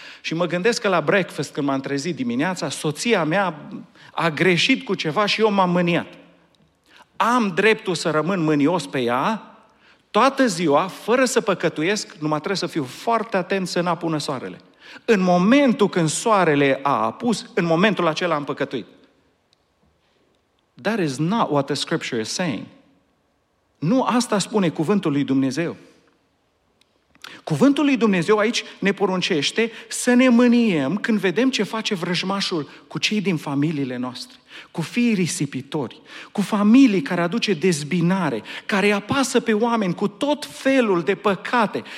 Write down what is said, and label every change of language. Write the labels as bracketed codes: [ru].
[ro] Și mă gândesc că la breakfast, când m-am trezit dimineața, soția mea a greșit cu ceva și eu m-am mâniat. Am dreptul să rămân mânios pe ea toată ziua, fără să păcătuiesc, numai trebuie să fiu foarte atent să n-apună soarele. În momentul când soarele a apus, în momentul acela am păcătuit. [en] That is not what the scripture is saying. [ro] Nu asta spune cuvântul lui Dumnezeu. Cuvântul lui Dumnezeu aici ne poruncește să ne mâniem când vedem ce face vrăjmașul cu cei din familiile noastre, cu fiii risipitori, cu familii care aduce dezbinare, care apasă pe oameni cu tot felul de păcate.